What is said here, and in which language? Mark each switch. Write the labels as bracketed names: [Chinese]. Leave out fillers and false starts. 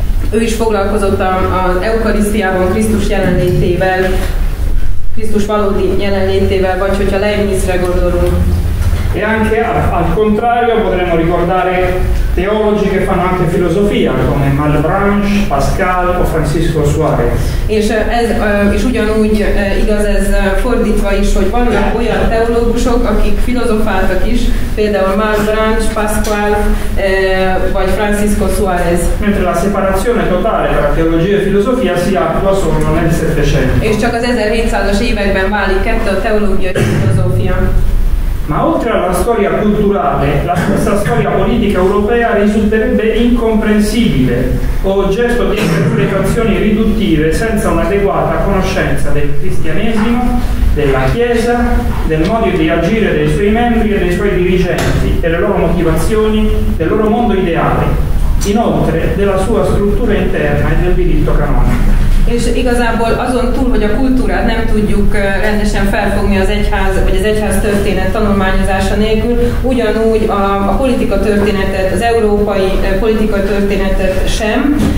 [Hungarian] Ő is foglalkozott az Eucharistiában Krisztus jelenlétével, Krisztus valódi jelenlétével, vagy hogyha Leibnizre gondolunk. [Italian] E anche al contrario potremmo ricordare teologi che fanno anche filosofia come Malebranche, Pascal o Francisco Suarez. [Hungarian] És ugyanúgy igaz ez fordítva is, hogy vannak olyan teológusok, akik filozofáltak is, például Malebranche, Pascal vagy Francisco Suarez. [Italian] Mentre la separazione totale tra teologia e filosofia si attua solo nel Settecento. [Hungarian] És csak az 1700-as években válik ketté a teológia és filozófia. [Italian] Ma oltre alla storia culturale, la stessa storia politica europea risulterebbe incomprensibile o oggetto di interpretazioni riduttive senza un'adeguata conoscenza del cristianesimo, della Chiesa, del modo di agire dei suoi membri e dei suoi dirigenti, delle loro motivazioni, del loro mondo ideale, inoltre della sua struttura interna e del diritto canonico. [Hungarian] És igazából azon túl, hogy a kultúrát nem tudjuk rendesen felfogni az egyház, vagy az egyház történet tanulmányozása nélkül, ugyanúgy a politika történetet, az európai politika történetet sem.